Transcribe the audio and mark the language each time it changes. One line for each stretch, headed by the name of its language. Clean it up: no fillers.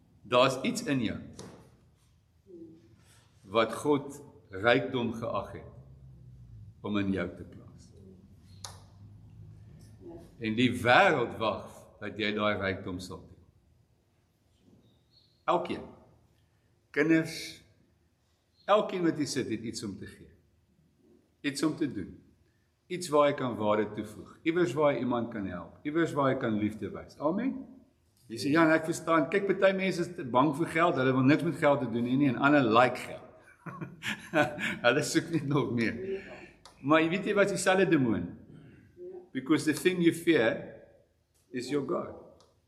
Afrikaans: Daar is iets in jou wat God rykdom geag het om in jou te plaas. En die wêreld wag dat jy daai rykdom sal hê. Elkeen. Kinders, elkeen wat hier sit het iets om te gee. Iets om te doen. Iets waar jy kan waarde toevoeg. Iewers waar jy iemand kan help. Iewers waar jy kan liefde wys. Amen. Jy sê, Jan, ek verstaan, kyk, party mense is bang vir geld, hulle wil niks met geld te doen nie, en ander like geld. hulle soek nie nog meer. Maar jy weet jy wat is dieselfde demoon?
English: Because the thing you fear is your God.